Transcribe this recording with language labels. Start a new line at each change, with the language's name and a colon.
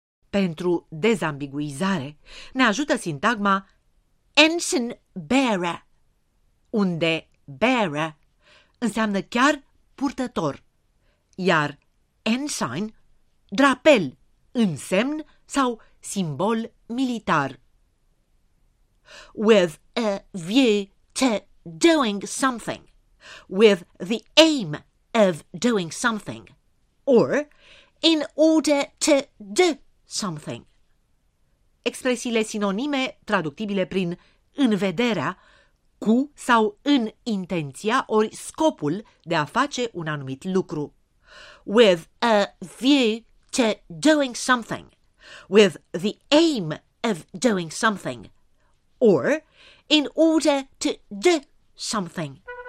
Romanian: Pentru dezambiguizare, ne ajută sintagma ensign bearer, unde bearer înseamnă chiar purtător, iar ensign, drapel, însemn sau simbol militar.
English: With a view to doing something, with the aim of doing something, or in order to do something.
Romanian: Expresiile sinonime traductibile prin în vederea, cu sau în intenția ori scopul de a face un anumit lucru.
English: With a view to doing something, with the aim of doing something, or in order to do something.